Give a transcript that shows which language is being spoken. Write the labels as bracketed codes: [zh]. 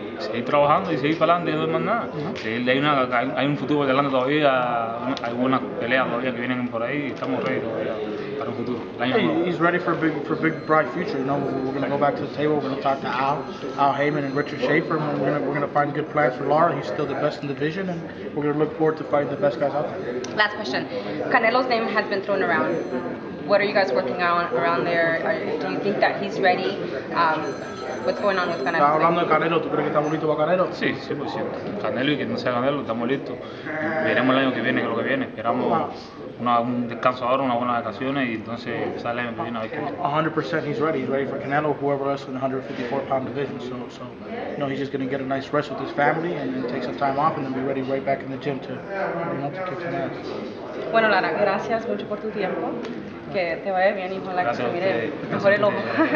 [es] Seguir trabajando y seguir para adelante, no es más nada. Uh-huh. Hay un futuro por delante todavía, hay buenas peleas todavía que vienen por ahí y estamos ready todavía para un futuro. [en] He's ready for a big bright future, you know. We're going to go back to the table, we're going to talk to Al Heyman and Richard Schaefer, and we're going to find good plans for Lara. He's still the best in the division, and we're going to look forward to fighting the best guys out there. Last question. Canelo's name has been thrown around. What are you guys working on around there? Do you think that he's ready? What's going on with Canelo? [es] ¿Tú crees que está bonito para Canelo? Sí, 100%. Canelo y quien no sea Canelo, estamos listos. Veremos el año que viene, que es lo que viene. Esperamos un descanso ahora, unas buenas vacaciones y entonces sale el año que viene a ver qué. [en] 100% he's ready. He's ready for Canelo, whoever else in the 154-pound division. So you know, he's just going to get a nice rest with his family and then take some time off and then be ready right back in the gym to, you know, to kick some ass. [es] Bueno, Lara, gracias mucho por tu tiempo. Que te vaya bien, hijo. La que se mire mejor el ojo.